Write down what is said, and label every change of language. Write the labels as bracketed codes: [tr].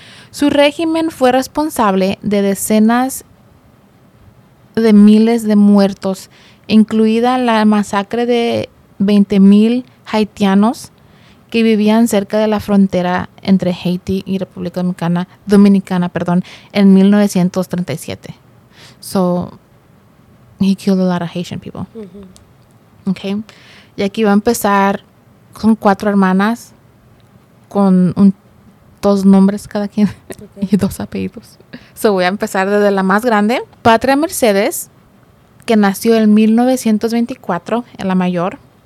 [es] Su régimen fue responsable de decenas de miles de muertos, incluida la masacre de 20,000 haitianos que vivían cerca de la frontera entre Haití y República Dominicana, en 1937. [en] So, he killed a lot of Haitian people. Mm-hmm. Okay. [es] Y aquí va a empezar con cuatro hermanas, con dos nombres cada quien, okay, y dos apellidos. So, voy a empezar desde la más grande. Patria Mercedes, que nació en 1924, en la mayor.